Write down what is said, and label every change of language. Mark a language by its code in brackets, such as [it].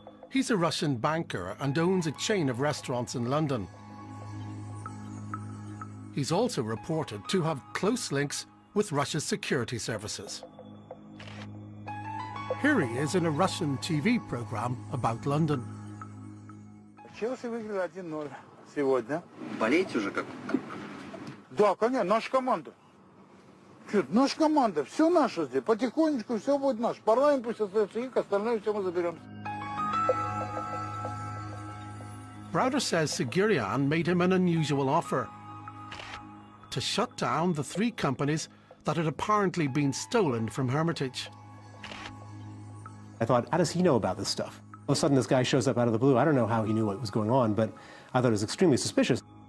[en] He's a Russian banker and owns a chain of restaurants in London. He's also reported to have close links with Russia's security services. Here he is in a Russian TV program about London. [ru] Челси выиграли 1-0 сегодня. Болеете уже как? Да, конечно, наша команда. Что, наша команда, все наше здесь, потихонечку все будет наше. Парламент пусть остается их, остальное все мы заберем. [en] Browder says Sigurian made him an unusual offer to shut down the three companies that had apparently been stolen from Hermitage. I thought, how does he know about this stuff? All of a sudden, this guy shows up out of the blue. I don't know how he knew what was going on, but I thought it was extremely suspicious.